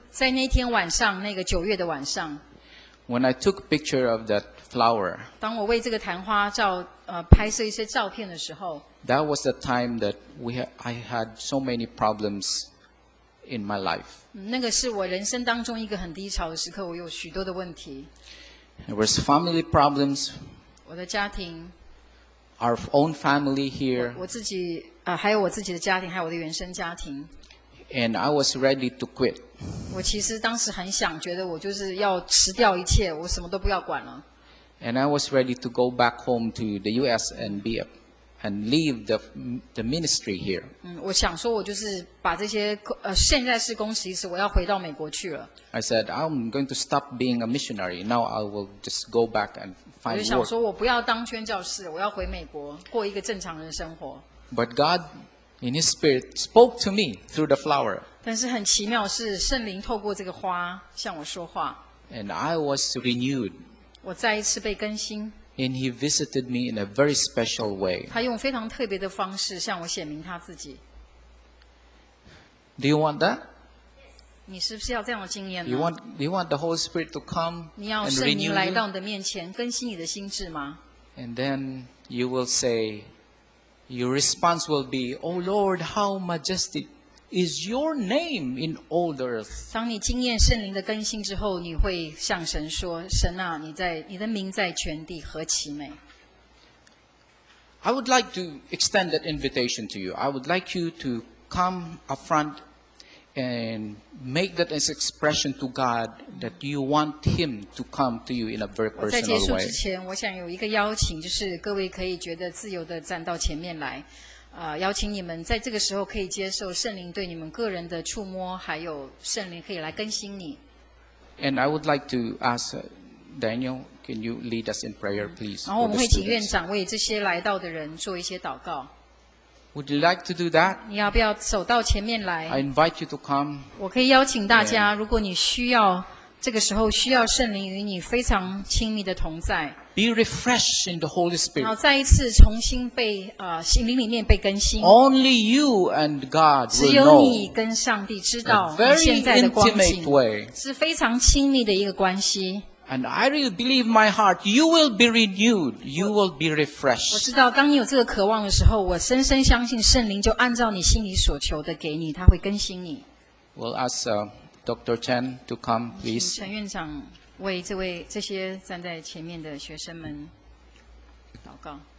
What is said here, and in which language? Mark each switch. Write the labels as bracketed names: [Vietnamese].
[Chinese] 在那天晚上，那个九月的晚上 [English] ，When I took a picture of that flower， [Chinese] 当我为这个昙花照拍摄一些照片的时候 [English] ，That was the time that I had so many problems in my life。 [Chinese] 那个是我人生当中一个很低潮的时刻，我有许多的问题。 [English] There was family problems。 [Chinese] 我的家庭。 [English] Our own family here。 [Chinese] 我自己还有我自己的家庭，还有我的原生家庭。 [English] And I was ready to quit. [Chinese] 我其实当时很想，觉得我就是要辞掉一切，我什么都不要管了。 [English] And I was ready to go back home to the U.S. and be a, and leave the ministry here. [Chinese] 我想说，我就是把这些现在是工辞职，我要回到美国去了。 [English] I said I'm going to stop being a missionary. Now I will just go back and find work. [Chinese] 我就想说，我不要当宣教士，我要回美国过一个正常人生活。 [English] But God. In His Spirit spoke to me through the flower. [Chinese] 但是很奇妙是圣灵透过这个花向我说话。 [English] And I was renewed. [Chinese] 我再一次被更新。 [English] And He visited me in a very special way. [Chinese] 他用非常特别的方式向我显明他自己。 [English] Do you want that? [Chinese] 你是不是要这样的经验呢？ [English] You want the Holy Spirit to come and renew you? [Chinese] 你要圣灵来到你的面前更新你的心智吗？ [English] And then you will say,Your response will be, Oh Lord, how majestic is your name in all the earth. [Chinese] 当你经验圣灵的更新之后，你会向神说，神啊，你的名在全地何其美。 [English] I would like to extend that invitation to you. I would like you to come up front and make that as expression to God that you want Him to come to you in a very personal way. [Chinese] 在结束之前，我想有一个邀请，就是各位可以觉得自由地站到前面来，邀请你们在这个时候可以接受圣灵对你们个人的触摸，还有圣灵可以来更新你。 [English] And I would like to ask Daniel, can you lead us in prayer, please? [Chinese] 然后我们会请院长为这些来到的人做一些祷告。 [English] Would you like to do that? [Chinese] 你要不要走到前面来？ [English] I invite you to come. [Chinese] 我可以邀请大家，如果你需要这个时候需要圣灵与你非常亲密的同在。 [English] Be refreshed in the Holy Spirit. [Chinese] 然后再一次重新被心灵里面被更新。 [English] Only you and God will know. [Chinese] 只有你跟上帝知道你现在的光景。 [English] A very intimate way. [Chinese] 是非常亲密的一个关系。 [English] And I really believe in my heart, you will be renewed, you will be refreshed. [Chinese] 我知道当你有这个渴望的时候，我深深相信圣灵就按照你心里所求的给你，他会更新你。 [English] We'll ask Dr. Chen to come, please. [Chinese] 陈院长为这些站在前面的学生们祷告。